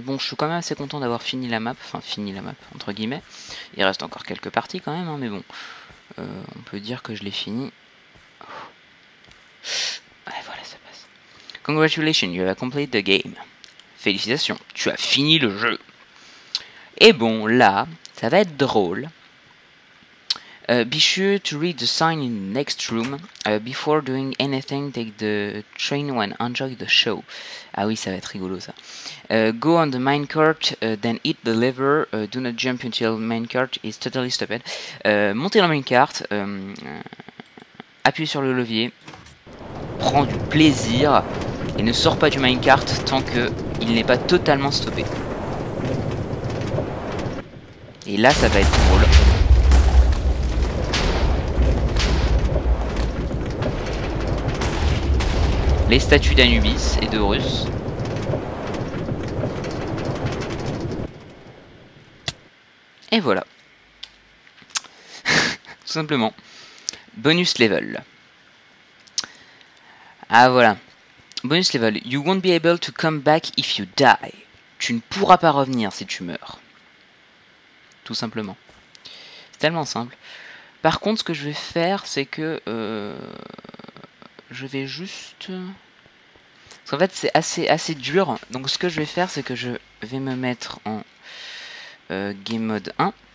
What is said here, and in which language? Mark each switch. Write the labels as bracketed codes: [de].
[fr] Bon, je suis quand même assez content d'avoir fini la map. Enfin, fini la map, entre guillemets. Il reste encore quelques parties quand même, hein, mais bon. On peut dire que je l'ai fini. [en] Congratulations, you have completed the game. [fr] Félicitations, tu as fini le jeu. Et bon, là, ça va être drôle. [en] Be sure to read the sign in the next room. Before doing anything, take the train and enjoy the show. [fr] Ah oui, ça va être rigolo ça. [en] Go on the minecart, then hit the lever. Do not jump until minecart is totally stopped. [fr] Montez dans le minecart, appuyez sur le levier, prends du plaisir et ne sors pas du minecart tant que il n'est pas totalement stoppé. Et là, ça va être drôle. Les statues d'Anubis et d'Horus. Et voilà. Tout simplement. Bonus level. Ah voilà. Bonus level. [en] You won't be able to come back if you die. [fr] Tu ne pourras pas revenir si tu meurs. Tout simplement. C'est tellement simple. Par contre, ce que je vais faire, c'est que... Je vais juste... Parce qu'en fait, c'est assez dur. Donc, ce que je vais faire, c'est que je vais me mettre en game mode 1.